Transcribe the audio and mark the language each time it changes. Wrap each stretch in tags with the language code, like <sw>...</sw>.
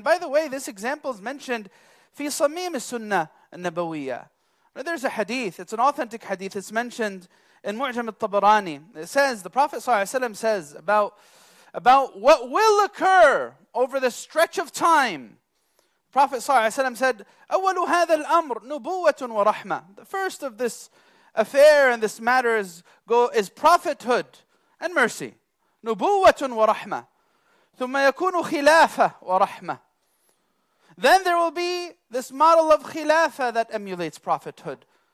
<en>And by the way, this example is mentioned</en> <ar>في صميم السنة النبوية.</ar> <en>There's a hadith, it's an authentic hadith, it's mentioned in معجم الطبراني. It says, the Prophet ﷺ says about what will occur over the stretch of time. The Prophet ﷺ said,</en> <ar>أول هذا الأمر نبوة ورحمة.</ar> <en>The first of this affair and this matter is prophethood and mercy.</en> <ar>نبوة ورحمة. ثم يكون خلافة ورحمة.</ar> <en>Then there will be this model of khilafah that emulates prophethood.</en>